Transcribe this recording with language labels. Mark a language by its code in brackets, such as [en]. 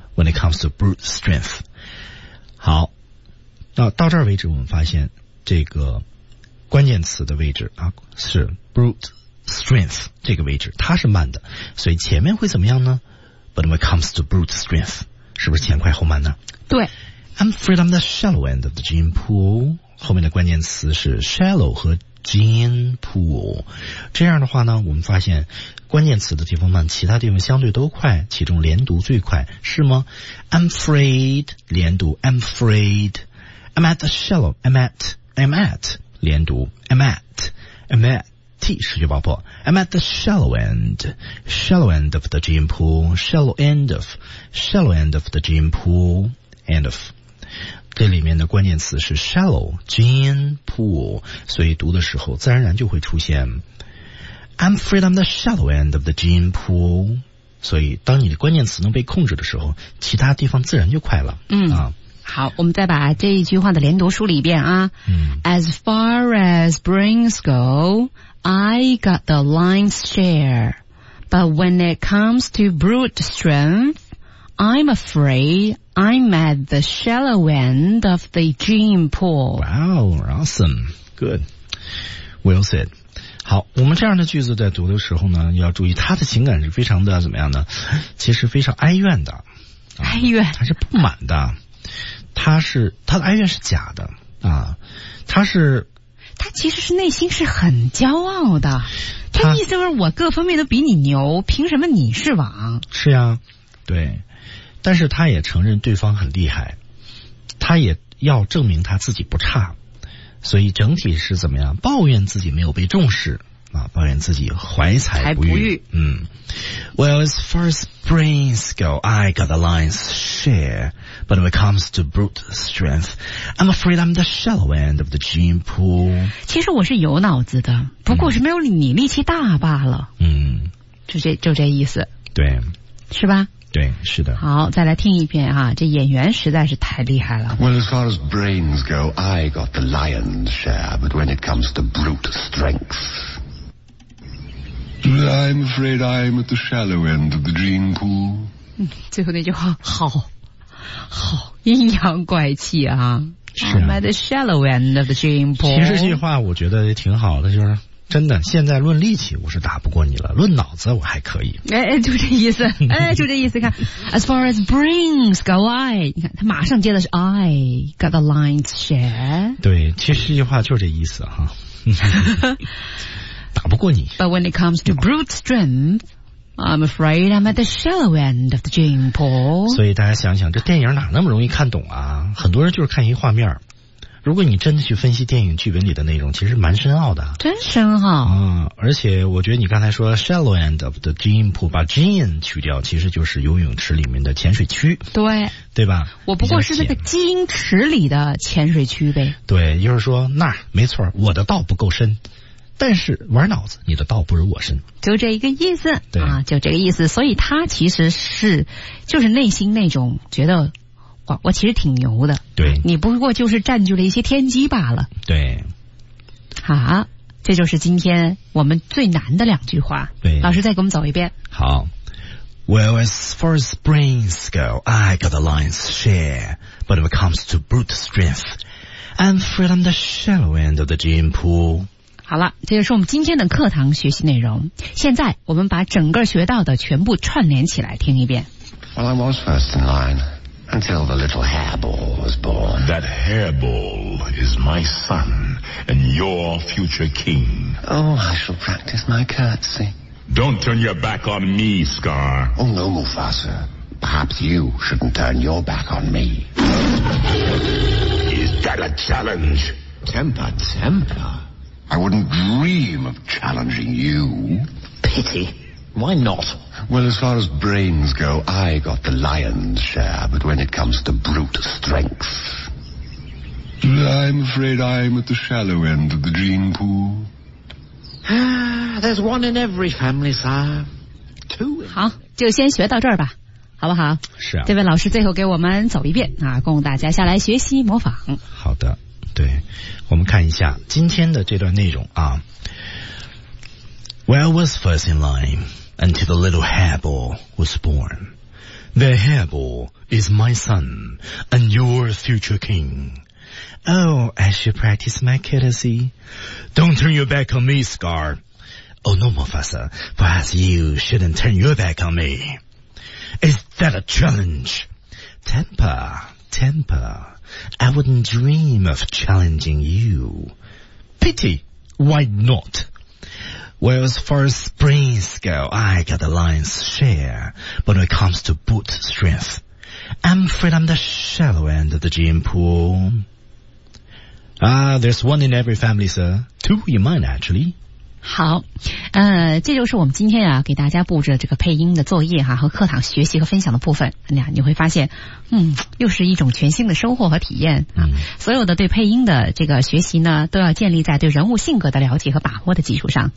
[en] When it comes to brute strength， [zh] 好，那到这儿为止，我们发现这个关键词的位置啊是 brute strength 这个位置，它是慢的，所以前面会怎么样呢 ？ [en] But when it comes to brute strength， [zh] 是不是前快后慢呢？对 [en] ，I'm afraid I'm the shallow end of the gene pool。 [zh] 后面的关键词是 shallow 和 gene pool。这样的话呢，我们发现。关键词的地方慢，其他地方相对都快，其中连读最快，是吗 [en] ？I'm afraid 连读 ，I'm afraid， I'm at the shallow， I'm at 连读 ，I'm at T 失去爆破 ，I'm at the shallow end， shallow end of the gene pool， shallow end of， shallow end of the gene pool， end of。 [zh] 这里面的关键词是 shallow, gene pool, 所以读的时候自然而然就会出现 [en] I'm afraid I'm the shallow end of the gene pool, [zh] 所以当你的关键词能被控制的时候其他地方自然就快了。嗯啊，好，我们再把这一句话的连读梳理一遍啊。嗯， [en] As far as brains go, I got the lion's share, but when it comes to brute strength, I'm afraid I'm at the shallow end of the gene pool. Wow, awesome, good, well said. [zh] 好，我们这样的句子在读的时候呢，要注意他的情感是非常的怎么样呢？其实非常哀怨的，哀怨，他是不满的。他的哀怨是假的啊，他其实是内心是很骄傲的，他意思是我各方面都比你牛，凭什么你是王？是呀，对，但是他也承认对方很厉害，他也要证明他自己不差，所以整体是怎么样？抱怨自己没有被重视啊，抱怨自己怀才不遇。 [en] Well, as far as brains go, I got the lion's share, but when it comes to brute strength, I'm afraid I'm the shallow end of the gene pool. [zh] 其实我是有脑子的，不过是没有你力气大罢了。嗯，就这意思。对，是吧？对，是的。好，再来听一遍啊，这演员实在是太厉害了。 [en] Well, as far as brains go, I got the lion's share, but when it comes to brute strength. I'm afraid I'm at the shallow end of the gene pool. [zh] 最后那句话好好阴阳怪气啊。是啊。 [en] I'm at the shallow end of the gene pool. [zh] 其实这句话我觉得也挺好的，就是真的现在论力气我是打不过你了，论脑子我还可以。就这意思看 [en] ,as far as brains go, I, [zh] 你看他马上接的是 [en] I got the lion's share. [zh] 对，其实这句话就是这意思啊。打不过你。 [en] But when it comes to brute strength, I'm afraid I'm at the shallow end of the gene pool. [zh] 所以大家想想，这电影哪那么容易看懂啊？很多人就是看一画面。如果你真的去分析电影剧本里的内容，其实蛮深奥的。真深奥。嗯，而且我觉得你刚才说 [en] shallow end of the gene pool, [zh] 把 gene 去掉，其实就是游泳池里面的潜水区。对。对吧？我不过是那个基因池里的潜水区呗。对，就是说那没错，我的道不够深。但是玩脑子，你的道不如我深，就这一个意思。对啊，就这个意思。所以他其实是就是内心那种觉得我其实挺牛的。对，你不过就是占据了一些天机罢了。对，好，这就是今天我们最难的两句话。对，老师再给我们走一遍。好。 [en] Well, as far as brains go, I got the lion's share, but when it comes to brute strength, I'm afraid I'm the shallow end of the gene pool. [zh] 好了，这就是我们今天的课堂学习内容。现在我们把整个学到的全部串联起来听一遍。 [en] Well, I was first in line until the little hairball was born. That hairball is my son and your future king. Oh, I shall practice my curtsy. Don't turn your back on me, Scar. Oh, no, Mufasa. Perhaps you shouldn't turn your back on me. Is that a challenge? Temper, temper. I wouldn't dream of challenging you. Pity. Why not? Well, as far as brains go, I got the lion's share, but when it comes to brute strength... I'm afraid I'm at the shallow end of the gene pool. There's one in every family, sir. Two. [zh] 好，就先学到这儿吧，好不好？是啊。这位老师最后给我们走一遍啊，供大家下来学习模仿。好的。对，我们看一下今天的这段内容啊。 [en] Well, was first in line until the little hairball was born. The hairball is my son and your future king. Oh, I should practice my courtesy. Don't turn your back on me, Scar. Oh, no, Mufasa. Perhaps you shouldn't turn your back on me. Is that a challenge? Temper, temper. I wouldn't dream of challenging you. Pity, why not? Well, as far as brains go, I got the lion's share. But when it comes to brute strength, I'm afraid I'm the shallow end of the gene pool. There's one in every family, sir. Two in mine, actually. [zh] 好，这就是我们今天啊给大家布置的这个配音的作业哈、啊、和课堂学习和分享的部分。那样你会发现，又是一种全新的收获和体验啊、嗯！所有的对配音的这个学习呢，都要建立在对人物性格的了解和把握的基础上。